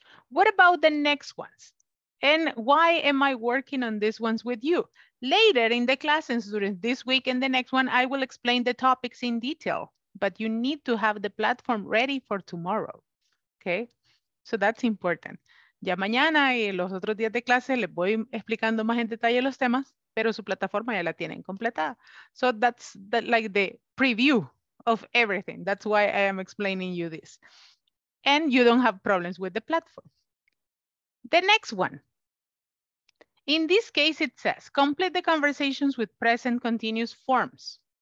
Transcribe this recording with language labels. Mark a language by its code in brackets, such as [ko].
[en] What about the next ones? And why am I working on these ones with you? later in the classes during this week and the next one, I will explain the topics in detail, but you need to have the platform ready for tomorrow, okay? So that's important. [es] Ya mañana y los otros días de clase les voy explicando más en detalle los temas, pero su plataforma ya la tienen completada. [en] So that's that, like the preview of everything. That's why I am explaining you this. And you don't have problems with the platform. The next one. In this case, it says, complete the conversations with present continuous forms.